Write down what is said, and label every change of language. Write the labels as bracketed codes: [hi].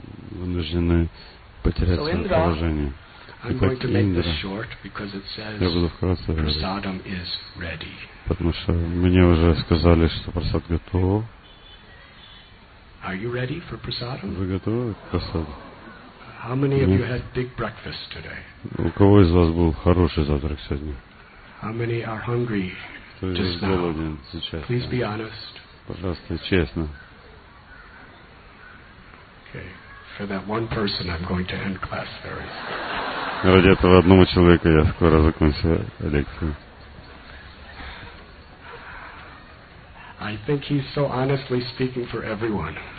[ru] Вынуждены потерять свое положение. [en] I'm going to make this short because it says prasadam is ready. [ru] Потому что мне уже сказали, что просад готов. [en] Are you ready for prasadam? [ru] Вы готовы к просаду? [en] How many of you had big breakfast today? [ru] У кого из вас был хороший завтрак сегодня? [en] How many are hungry just now? Please be honest. [ru] Пожалуйста, честно. [en] Okay. For that one person, I'm going to end class very soon. [ru] Ради этого одного человека я скоро закончу лекцию. [en] I think he's so honestly speaking for everyone.